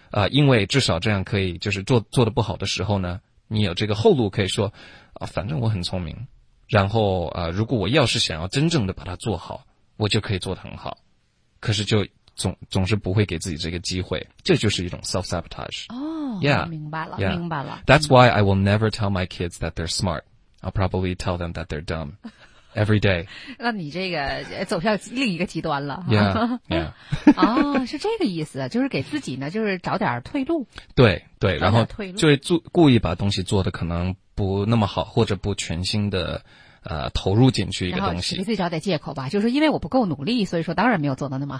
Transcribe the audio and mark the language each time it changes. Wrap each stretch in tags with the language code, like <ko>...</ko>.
<zh>因为至少这样可以就是做的不好的时候呢你有这个后路可以说、反正我很聪明然后如果我要是想要真正的把它做好我就可以做得很好可是就总是不会给自己这个机会这就是一种 self-sabotage、明白了、明白了</zh> <en>That's why I will never tell my kids that they're smart I'll probably tell them that they're dumb every day</en> <zh>那你这个走向另一个极端了</zh> <en>yeah</en> <zh>是这个意思就是给自己呢就是找点退路对对然后就会故意把东西做得可能不那么好或者不全心的投入进去一个东西。给自己找点借口吧就是因为我不够努力所以说当然没有做得那么好。</zh>